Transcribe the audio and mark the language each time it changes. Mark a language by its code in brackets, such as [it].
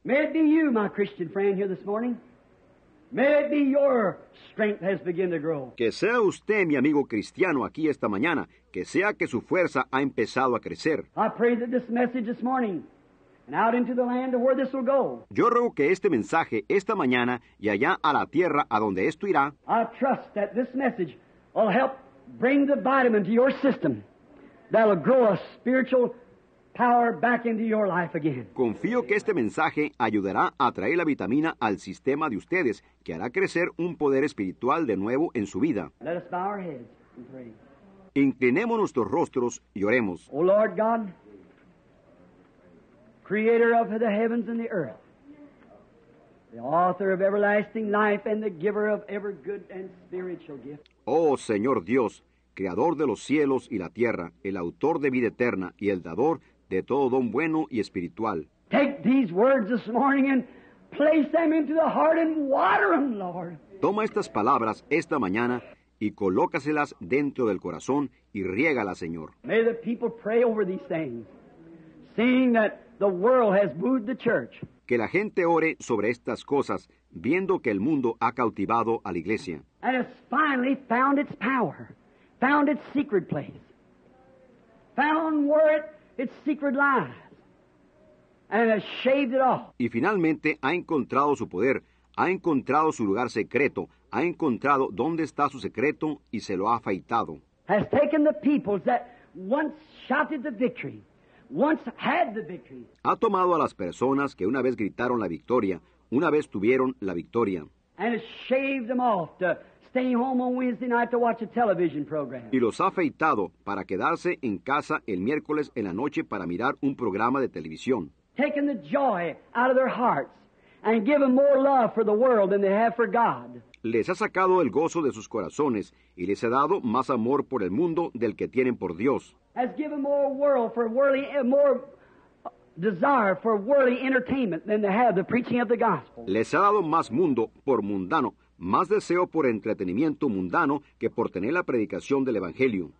[en] May it be you, my Christian friend, here this morning. May it be your strength has begun to grow. [es] Que sea usted mi amigo cristiano aquí esta mañana, que sea que su fuerza ha empezado a crecer. [en] I pray that this message this morning and out into the land of where this will go. [es] Yo ruego que este mensaje esta mañana y allá a la tierra a donde esto irá. [en] I trust that this message will help bring the vitamin to your system that'll grow a spiritual power back into your life again. [es] Confío que este mensaje ayudará a traer la vitamina al sistema de ustedes, que hará crecer un poder espiritual de nuevo en su vida. [en] Let us bow our heads and pray. [es] Inclinemos nuestros rostros y oremos. [en] Oh Lord God, creator of the heavens and the earth, the author of everlasting life and the giver of every good and spiritual gift. [es] Oh, Señor Dios, Creador de los cielos y la tierra, el autor de vida eterna y el dador de todo don bueno y espiritual. [en] Take these words this morning and place them into the heart and water them, Lord. [es] Toma estas palabras esta mañana y colócaselas dentro del corazón y riégalas, Señor. [en] May the people pray over these things, seeing that the world has moved the church. [es] Que la gente ore sobre estas cosas, viendo que el mundo ha cautivado a la iglesia. [en] And it's finally found its power, found its secret place, found where its secret lies, and has shaved it off. [es] Y finalmente ha encontrado su poder, ha encontrado su lugar secreto, ha encontrado dónde está su secreto y se lo ha afeitado. [en] Has taken the peoples that once shouted the victory. Once had the victory. [es] Ha tomado a las personas que una vez gritaron la victoria, una vez tuvieron la victoria. [en] And has shaved them off to stay home on Wednesday night to watch a television program. [es] Y los ha afeitado para quedarse en casa el miércoles en la noche para mirar un programa de televisión. [en] Taking the joy out of their hearts and giving more love for the world than they have for God. [es] Les ha sacado el gozo de sus corazones y les ha dado más amor por el mundo del que tienen por Dios. [en] Has given more world for worldly more desire for worldly entertainment than they have the preaching of the gospel. [es] Les ha dado más mundo por mundano, más deseo por entretenimiento mundano que por tener la predicación del evangelio.